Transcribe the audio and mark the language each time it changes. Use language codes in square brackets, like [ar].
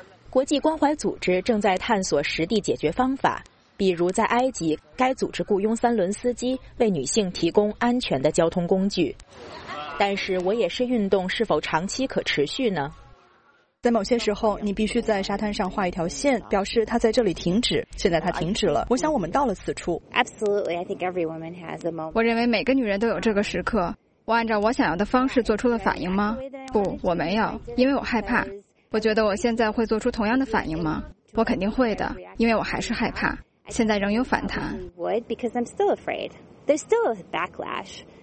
[zh] 国际关怀组织正在探索实地解决方法，比如在埃及，该组织雇佣三轮司机为女性提供安全的交通工具。但是，我也是运动是否长期可持续呢？在某些时候，你必须在沙滩上画一条线，表示它在这里停止。现在它停止了，我想我们到了此处。 [en] Absolutely, I think every woman has a moment. [zh] 我认为每个女人都有这个时刻。我按照我想要的方式做出了反应吗？不，我没有，因为我害怕。我觉得我现在会做出同样的反应吗？我肯定会的，因为我还是害怕。现在仍有反弹。 [en] Would because I'm still afraid. There's still a backlash.